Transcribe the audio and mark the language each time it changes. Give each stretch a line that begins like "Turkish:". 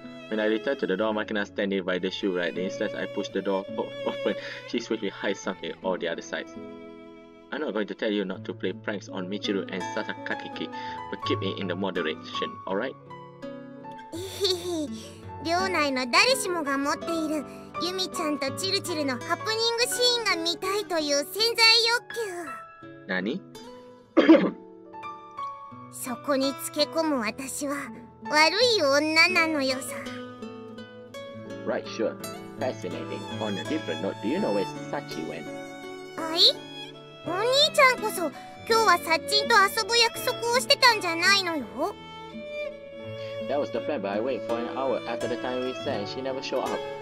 English: When I return to the door, Makina standing by the shoe rack. The instant I push the door open, she swiftly hides something on the other side. I'm not going to tell you not to play pranks on Michiru and Sasakakiki, but keep it in the moderation, alright?
Japanese: Hehehe,寮内の誰しもが持っているユミちゃんとチルチルのハプニングシーンが見たいという潜在欲求! Nani? そこにつけ込む私は悪い女なのよさ!
English: Right, sure. Fascinating. On a different note, do you know where Sachi went? Ai?
Japanese: お兄ちゃんこそ今日はサッチンと遊ぶ約束をしてたんじゃないのよ?
English: That was the plan, but I waited for an hour after the time we set and she never showed up.